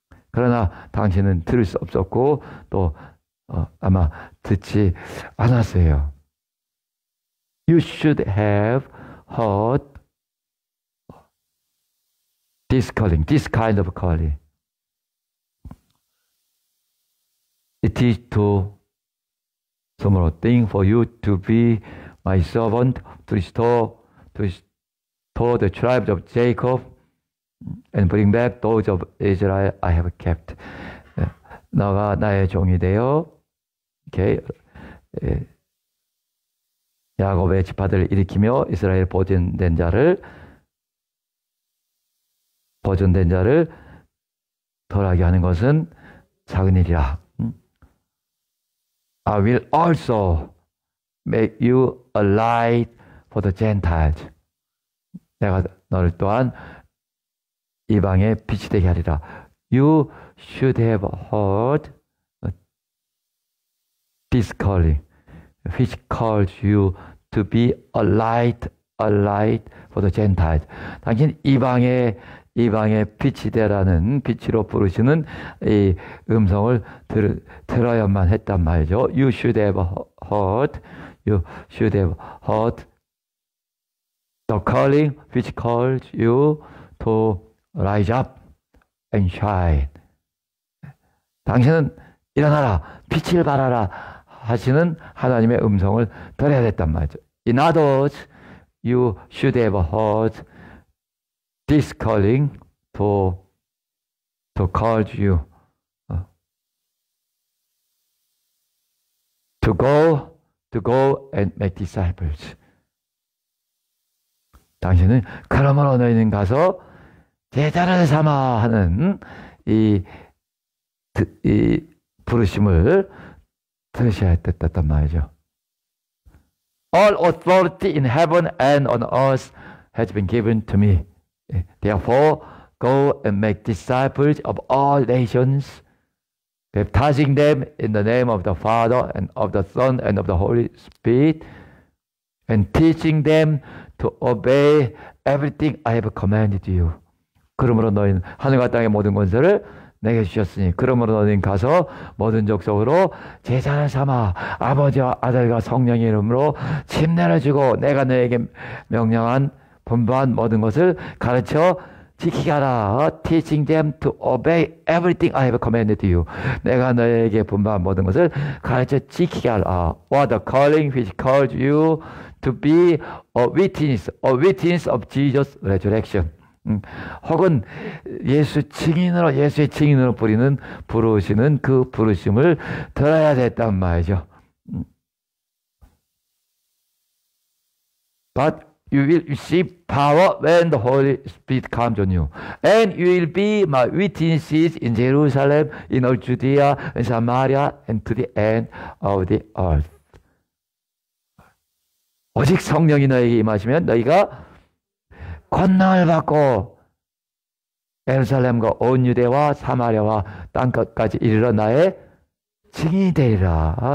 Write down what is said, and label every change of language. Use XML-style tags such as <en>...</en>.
<ko>그러나 당신은 들을 수 없었고, 또 아마 듣지 않았어요.</ko> <en>You should have heard this calling, this kind of calling. It is to tomorrow thing for you to be my servant to restore the tribes of Jacob and bring back those of Israel I have kept.</en> <ko>너가 나의 종이 되어 okay. 야곱의 지파들을 일으키며 이스라엘 보존된 자를 돌아가게 하는 것은 작은 일이라.</ko> <en>I will also make you a light for the Gentiles.</en> <ko>내가 너를 또한 이방의 빛이 되게 하리라.</ko> <en>You should have heard this calling, which calls you to be a light for the Gentiles.</en> <ko>당신 이방의 빛이 되라는 빛으로 부르시는 이 음성을 들어야만 했단 말이죠.</ko> <en>You should have heard. You should have heard the calling which calls you to rise up and shine.</en> <ko>당신은 일어나라, 빛을 발하라 하시는 하나님의 음성을 들어야 했단 말이죠.</ko> <en>In others, you should have heard. This calling to call you to go and make disciples.</en> <ko>당신은 그러므로 너희는 가서 제자를 삼아 하는 이 부르심을 드셔야 됐단 말이죠.</ko> <en>All authority in heaven and on earth has been given to me. Therefore, go and make disciples of all nations, baptizing them in the name of the Father and of the Son and of the Holy Spirit, and teaching them to obey everything I have commanded you.</en> <ko>그러므로 너희는 하늘과 땅의 모든 권세를 내게 주셨으니 그러므로 너희는 가서 모든 족속으로 제자를 삼아 아버지와 아들과 성령의 이름으로 침례를 주고 내가 너에게 명령한 분부한 모든 것을 가르쳐 지키게 하라.</ko> <en>Teaching them to obey everything I have commanded you.</en> <ko>내가 너에게 분부한 모든 것을 가르쳐 지키게 하라.</ko> <en>What the calling which called you to be a witness of Jesus' resurrection.</en> <ko>혹은 예수 증인으로 예수의 증인으로 부르는 부르시는 그 부르심을 들어야 됐단 말이죠.</ko> <en>But you will receive power when the Holy Spirit comes on you, and you will be my witnesses in Jerusalem, in all Judea, in Samaria, and to the end of the earth.</en> <ko>오직 성령이 너에게 임하시면 너희가 권능을 받고 예루살렘과 온 유대와 사마리아와 땅끝까지 이르러 나의 증인이 되리라.</ko>